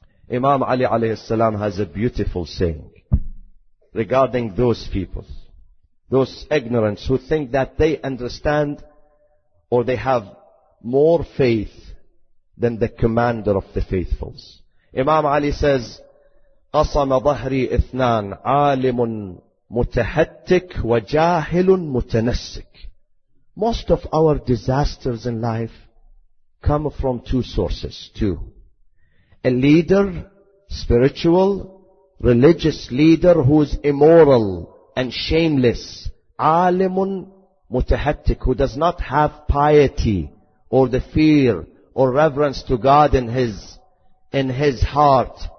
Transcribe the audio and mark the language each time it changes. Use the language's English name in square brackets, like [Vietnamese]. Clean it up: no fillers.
[English] Imam Ali alayhi salam has a beautiful saying regarding those people, those ignorants who think that they understand or they have more faith than the commander of the faithfuls. Imam Ali says, [Arabic] قَصَمَ ظَهْرِي إِثْنَانْ عَالِمٌ مُتَحَتِّكْ وَجَاهِلٌ مُتَنَسِّكْ. [English] Most of our disasters in life come from two sources, two. A leader, spiritual, religious leader who is immoral and shameless, alimun mutahattik, who does not have piety or the fear or reverence to God in his heart.